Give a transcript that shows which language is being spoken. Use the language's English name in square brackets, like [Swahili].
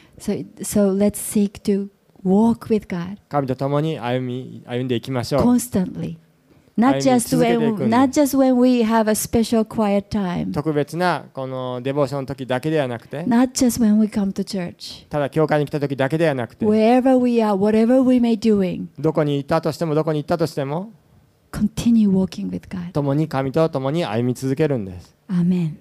[English] So let's seek to walk with God. [Japanese] 神と共に歩んでいきましょう。 [English] Constantly. Not just when we have a special quiet time. [Japanese] 特別なこのデボーションの時だけではなくて。 [English] Not just when we come to church. [Japanese] ただ教会に来た時だけではなくて。 [English] Wherever we are, whatever we may doing. [Japanese] どこに行ったとしても、どこに行ったとしても。 [English] Continue walking with God. [Japanese] 共に神と共に歩み続けるんです。 [English] Amen.